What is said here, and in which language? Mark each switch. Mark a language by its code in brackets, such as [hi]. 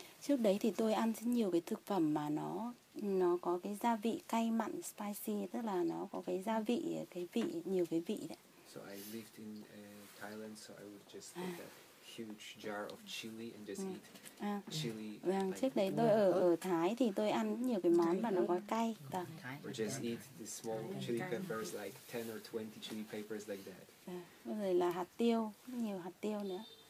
[vi] Trước đấy thì tôi ăn rất nhiều cái thực phẩm mà nó có cái gia vị cay mặn, spicy, tức là nó có cái gia vị, cái vị, nhiều cái vị đấy. [en] So I lived in Thailand, so I would just take a huge jar of chili and just eat chili. [vi] Vâng, trước đấy tôi ở Thái thì tôi ăn nhiều cái món mà nó có cay. [en] Or just eat the small chili peppers, like 10 or 20 chili peppers like that. [vi] Rồi là hạt tiêu, nhiều hạt tiêu nữa.